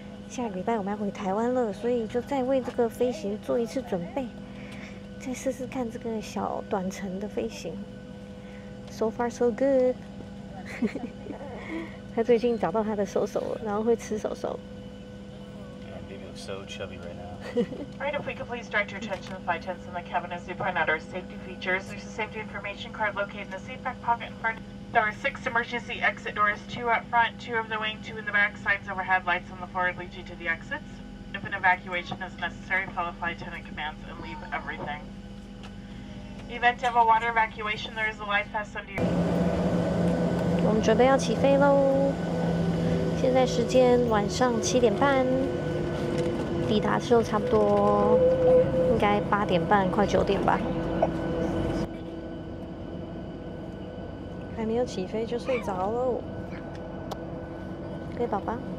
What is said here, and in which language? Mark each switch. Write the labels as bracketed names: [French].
[Chinese] 下个礼拜我们要回台湾了，所以就再为这个飞行做一次准备。再试试看这个小短程的飞行 ， [English] so far so good 。 [Chinese] 他最近找到他的手手了，然后会吃手手。 [English] Yeah, baby looks so chubby right now. Alright, if we could please direct your attention to the flight attendants in the cabin as we point out our safety features. There's a safety information card located in the seat back pocket in front. There are 6 emergency exit doors: 2 up front, 2 of the wing, 2 in the back. Signs overhead, lights on the floor lead you to the exits. If an evacuation is necessary, follow flight attendant commands and leave everything. Event of a water evacuation, there is a life vest under your... [Chinese] 我们准备要起飞喽！现在时间晚上7:30，抵达之后差不多应该8:30，快9:00吧。还没有起飞就睡着喽，乖宝宝。